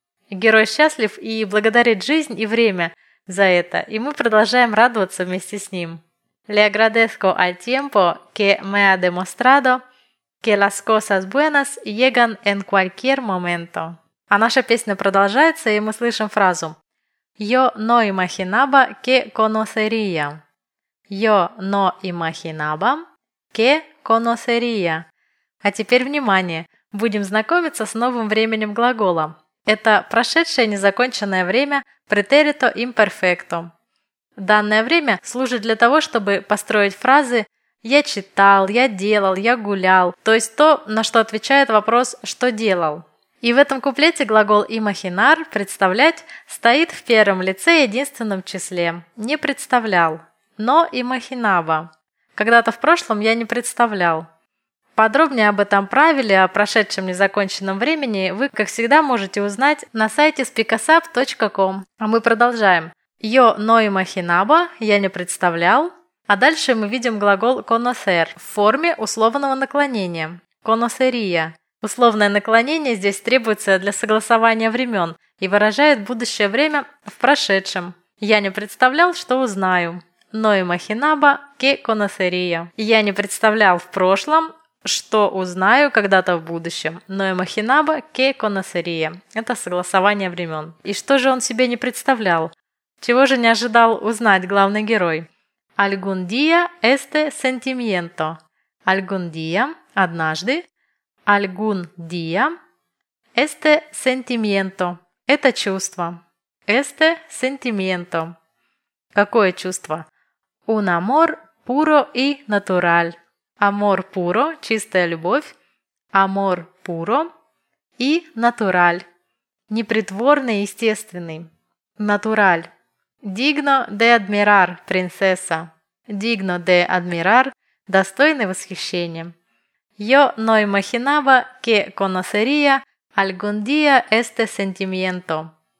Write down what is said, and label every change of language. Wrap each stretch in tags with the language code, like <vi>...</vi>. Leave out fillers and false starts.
<ru>Герой счастлив и благодарит жизнь и время за это, и мы продолжаем радоваться вместе с ним.</ru> <es>Le agradezco al tiempo que me ha demostrado que las cosas buenas llegan en cualquier momento.</es> <ru>А наша песня продолжается, и мы слышим фразу</ru> <es>Yo no imaginaba que conocería. Yo no imaginaba que conocería.</es> <ru>А теперь внимание, будем знакомиться с новым временем глагола. Это прошедшее незаконченное время претерито имперфекто. Данное время служит для того, чтобы построить фразы «я читал», «я делал», «я гулял», то есть то, на что отвечает вопрос «что делал». И в этом куплете глагол «imaginar» – «представлять» стоит в первом лице единственном числе. «Не представлял», «но imaginaba». Когда-то в прошлом я не представлял. Подробнее об этом правиле, о прошедшем незаконченном времени, вы, как всегда, можете узнать на сайте speakasap.com. А мы продолжаем.</ru> <es>Yo no imaginaba,</es> <ru>я не представлял, А дальше мы видим глагол conocer в форме условного наклонения.</ru> <es>Conoceria.</es> <ru>Условное наклонение здесь требуется для согласования времен и выражает будущее время в прошедшем. Я не представлял, что узнаю.</ru> <es>No imaginaba que conocería.</es> <ru>Я не представлял в прошлом, что узнаю когда-то в будущем.</ru> <es>No imaginaba que conocería.</es> <ru>Это согласование времен. И что же он себе не представлял? Чего же не ожидал узнать главный герой?</ru> <es>Algún día este sentimiento. Algún día,</es> <ru>однажды.</ru> <es>Algún día este sentimiento.</es> <ru>Это чувство.</ru> <es>Este sentimiento.</es> <ru>Какое чувство?</ru> <es>Un amor puro y natural. Amor puro,</es> <ru>чистая любовь.</ru> <es>Amor puro y natural.</es> <ru>Непритворный, естественный.</ru> <es>Natural. Digno de admirar, princesa. Digno de admirar,</es> <ru>достойный восхищения.</ru> <es>Yo no imaginaba que conocería algún día este sentimiento.</es>